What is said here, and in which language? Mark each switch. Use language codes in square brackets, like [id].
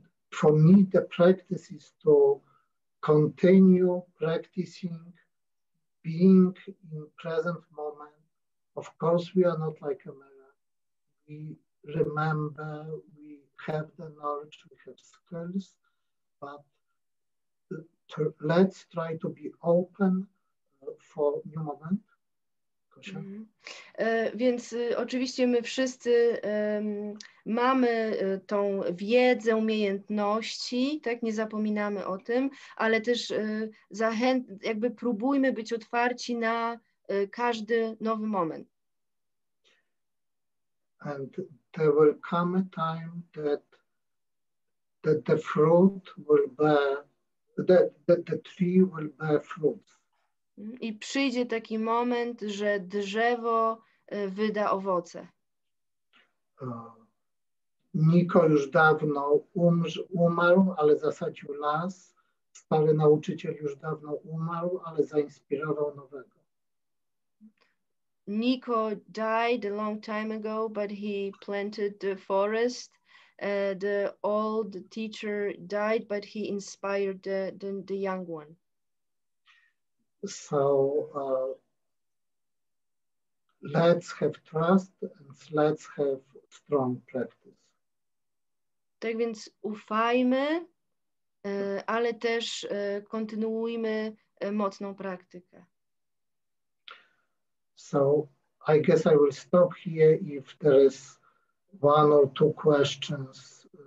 [en] For me, the practice is to continue practicing, being in present moment. Of course, we are not like a mirror. We remember, we have the knowledge, we have skills, but let's try to be open for new moment. [pl] Więc oczywiście my wszyscy mamy tą wiedzę, umiejętności, tak, nie zapominamy o tym, ale też jakby próbujmy być otwarci na każdy nowy moment. [en] And there will come a time that the fruit will bear, that the tree will bear fruit. [pl] I przyjdzie taki moment, że drzewo wyda owoce. Niko już dawno umarł, ale zasadził las. Stary nauczyciel już dawno umarł, ale zainspirował nowego. [en] Niko died a long time ago, but he planted the forest. The old teacher died, but he inspired the young one. So let's have trust and let's have strong practice. [pl] Tak więc ufajmy, ale też kontynuujmy mocną praktykę. [en] So I guess I will stop here if there is one or two questions.